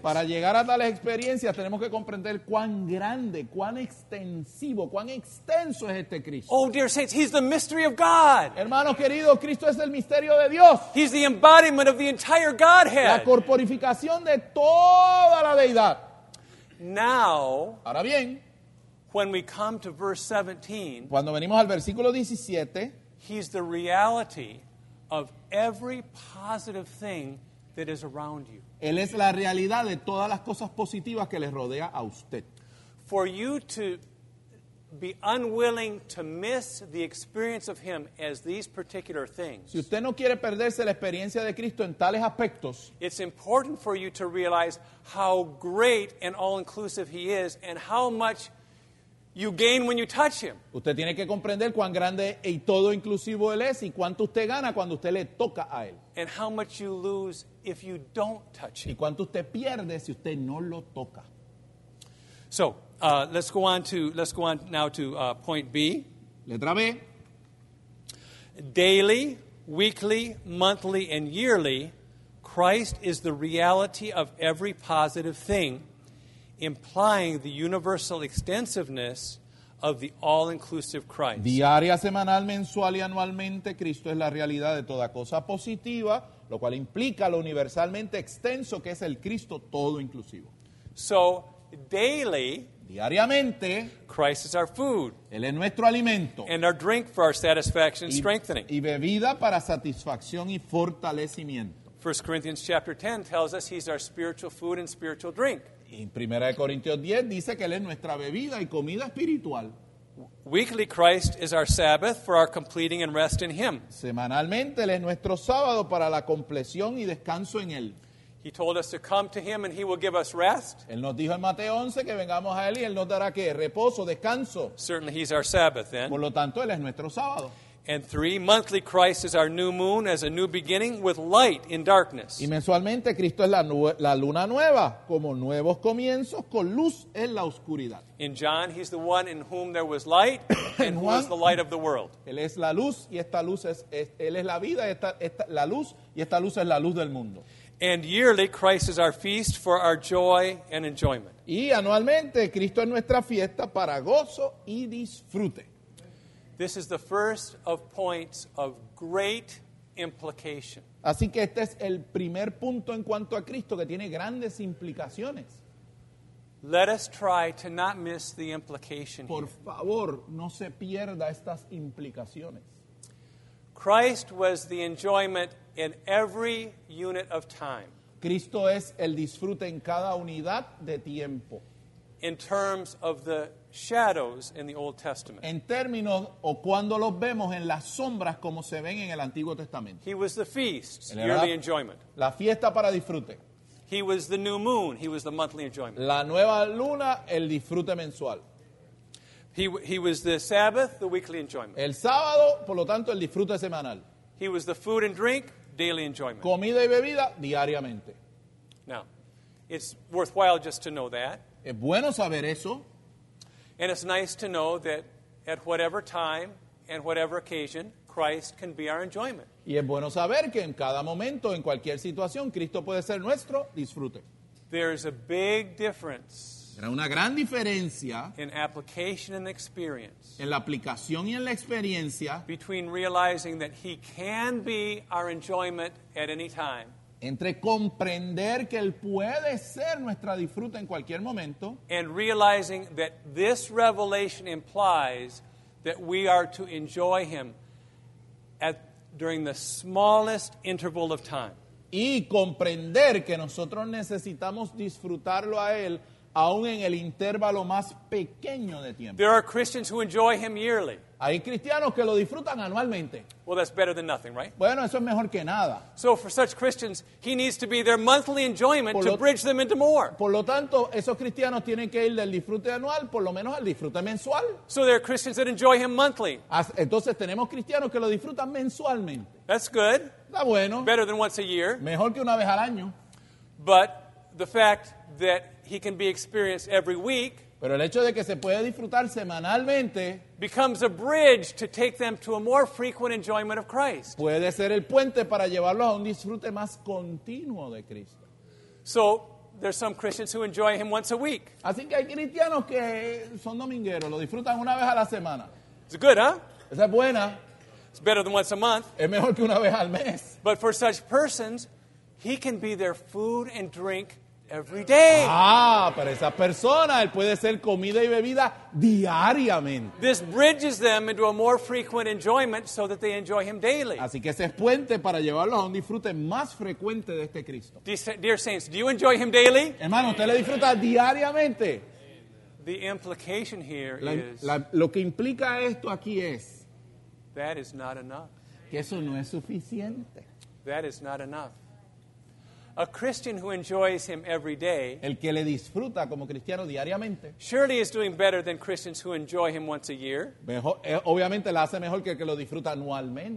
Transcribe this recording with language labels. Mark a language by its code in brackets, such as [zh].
[es] Para llegar a tales experiencias tenemos que comprender cuán grande, cuán extensivo, cuán extenso es este Cristo. [en] Oh, dear saints, he's the mystery of God. [es] Hermano querido, Cristo es el misterio de Dios. [en] He's the embodiment of the entire Godhead. [es] La corporificación de toda la deidad. [en] Now, [es] ahora bien, [en] when we come to verse 17, [es] cuando venimos al versículo 17, [en] he's the reality of every positive thing that is around you. [es] Él es la realidad de todas las cosas positivas que les rodea a usted. [en] For you to be unwilling to miss the experience of him as these particular things. [es] Si usted no quiere perderse la experiencia de Cristo en tales aspectos. [en] It's important for you to realize how great and all-inclusive he is and how much you gain when you touch him. [es] Usted tiene que comprender cuán grande y todo inclusivo él es y cuánto usted gana cuando usted le toca a él. [en] And how much you lose if you don't touch him. [es] Y cuánto usted pierde si usted no lo toca. [en] So, let's go on now to point B. [es] Letra B. [en] Daily, weekly, monthly, and yearly, Christ is the reality of every positive thing, implying the universal extensiveness of the all-inclusive Christ. [es] Diaria, semanal, mensual y anualmente, Cristo es la realidad de toda cosa positiva, lo cual implica lo universalmente extenso que es el Cristo todo inclusivo. [en] So, daily, [es] diariamente, [en] Christ is our food. [es] Él es nuestro alimento. [en] And our drink for our satisfaction and strengthening. [es] Y bebida para satisfacción y fortalecimiento. [en] 1 Corinthians chapter 10 tells us he's our spiritual food and spiritual drink. [es] En 1 Corintios 10 dice que Él es nuestra bebida y comida espiritual. [en] Weekly, Christ is our Sabbath for our completing and rest in Him. [es] Semanalmente, Él es nuestro sábado para la compleción y descanso en Él. [en] He told us to come to Him and He will give us rest. [es] Él nos dijo en Mateo 11 que vengamos a Él y Él nos dará ¿qué? Reposo, descanso. [en] Certainly, He's our Sabbath then. [es] Por lo tanto, Él es nuestro sábado. [en] And 3, monthly, Christ is our new moon as a new beginning with light in darkness. [es] Y mensualmente, Cristo es la luna nueva, como nuevos comienzos con luz en la oscuridad. [en] In John, he's the one in whom there was light and [es] Juan, [en] who is the light of the world. [es] Él es la luz y esta luz es él es la vida y esta la luz y esta luz es la luz del mundo. [en] And yearly, Christ is our feast for our joy and enjoyment. [es] Y anualmente, Cristo es nuestra fiesta para gozo y disfrute. [en] This is the first of points of great implication. [es] Así que este es el primer punto en cuanto a Cristo que tiene grandes implicaciones. [en] Let us try to not miss the implication. [es] Por favor, no se pierda estas implicaciones. [en] Christ was the enjoyment in every unit of time. [es] Cristo es el disfrute en cada unidad de tiempo. [en] In terms of the shadows in the Old Testament. [es] En términos o cuando los vemos en las sombras como se ven en el Antiguo Testamento. [en] He was the feast, yearly enjoyment. [es] La fiesta para disfrute. [en] He was the new moon, he was the monthly enjoyment. [es] La nueva luna, el disfrute mensual. [en] He was the Sabbath, the weekly enjoyment. [es] El sábado, por lo tanto, el disfrute semanal. [en] He was the food and drink, daily enjoyment. [es] Comida y bebida diariamente. [en] Now, it's worthwhile just to know that. [es] Es bueno saber eso. [en] And it's nice to know that at whatever time and whatever occasion, Christ can be our enjoyment. [es] Y es bueno saber que en cada momento, en cualquier situación, Cristo puede ser nuestro disfrute. [en] There is a big difference. [es] Era una gran diferencia. [en] In application and experience. [es] En la aplicación y en la experiencia. [en] Between realizing that He can be our enjoyment at any time. [es] Entre comprender que Él puede ser nuestra disfrute en cualquier momento. [en] And realizing that this revelation implies that we are to enjoy Him during the smallest interval of time. [es] Y comprender que nosotros necesitamos disfrutarlo a Él aún en el intervalo más pequeño de tiempo. [en] There are Christians who enjoy him yearly. [es] Hay cristianos que lo disfrutan anualmente. [en] Well, that's better than nothing, right? [es] Bueno, eso es mejor que nada. [en] So for such Christians, he needs to be their monthly enjoyment to bridge them into more. [es] Por lo tanto, esos cristianos tienen que ir del disfrute anual por lo menos al disfrute mensual. [en] So there are Christians that enjoy him monthly. [es] Entonces tenemos cristianos que lo disfrutan mensualmente. [en] That's good. [es] Está bueno. [en] Better than once a year. [es] Mejor que una vez al año. [en] But the fact that he can be experienced every week, [es] pero el hecho de que se puede disfrutar semanalmente, [en] becomes a bridge to take them to a more frequent enjoyment of Christ. [es] Puede ser el puente para llevarlos a un disfrute más continuo de Cristo. [en] So there's some Christians who enjoy him once a week. [es] Así que hay cristianos que son domingueros, lo disfrutan una vez a la semana. [en] It's good, huh? [es] Esa es buena. [en] It's better than once a month. [es] Es mejor que una vez al mes. [en] But for such persons, he can be their food and drink every day. [es] Ah, para esa persona, él puede ser comida y bebida diariamente. [en] This bridges them into a more frequent enjoyment so that they enjoy him daily. [es] Así que ese es puente para llevarlos a un disfrute más frecuente de este Cristo. [en] Dear saints, do you enjoy him daily? [es] Hermano, ¿usted le disfruta diariamente? [en] The implication here [es] lo que implica esto aquí es, [en] that is not enough. [es] Que eso no es suficiente. [en] That is not enough. A Christian who enjoys him every day, [es] el que le disfruta como cristiano diariamente, [en] surely is doing better than Christians who enjoy him once a year. [es] Mejor, obviamente la hace mejor que el que lo disfruta anualmente.